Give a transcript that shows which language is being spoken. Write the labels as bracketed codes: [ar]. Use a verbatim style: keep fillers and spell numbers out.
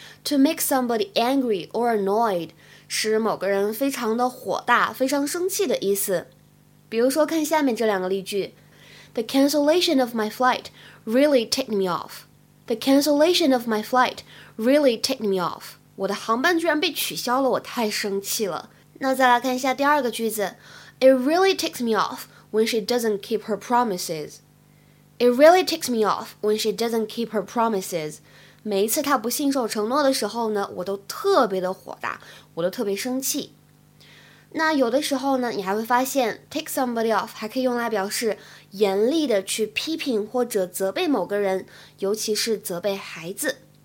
[en] to make somebody angry or annoyed 使某个人非常的火大非常生气的意思比如说看下面这两个例句 The cancellation of my flight really ticked me off. The cancellation of my flight really ticked me off. [zh] 我的航班居然被取消了，我太生气了。 [en] 那再来看一下第二个句子 It really ticks me off when she doesn't keep her promises. It really ticks me off when she doesn't keep her promises. [zh] 每一次她不信守承诺的时候呢，我都特别的火大，我都特别生气。那有的时候呢，你还会发现 tick somebody off 还可以用来表示严厉的去批评或者责备某个人，尤其是责备孩子。